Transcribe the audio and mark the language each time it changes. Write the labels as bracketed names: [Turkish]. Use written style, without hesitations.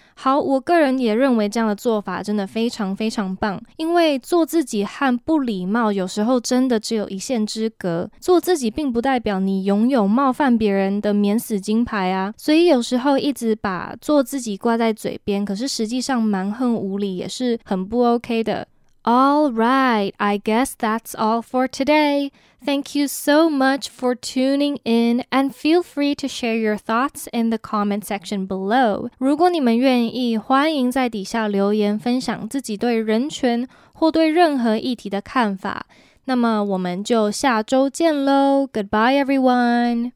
[Chinese] 好，我个人也认为这样的做法真的非常非常棒，因为做自己和不礼貌有时候真的只有一线之隔。做自己并不代表你拥有冒犯别人的免死金牌啊，所以有时候一直把做自己挂在嘴边，可是实际上蛮横无理也是很不 OK 的。 [English] All right, I guess that's all for today. Thank you so much for tuning in, and feel free to share your thoughts in the comment section below. [Chinese] 如果你们愿意，欢迎在底下留言分享自己对人权或对任何议题的看法。那么我们就下周见咯。 [English] Goodbye everyone.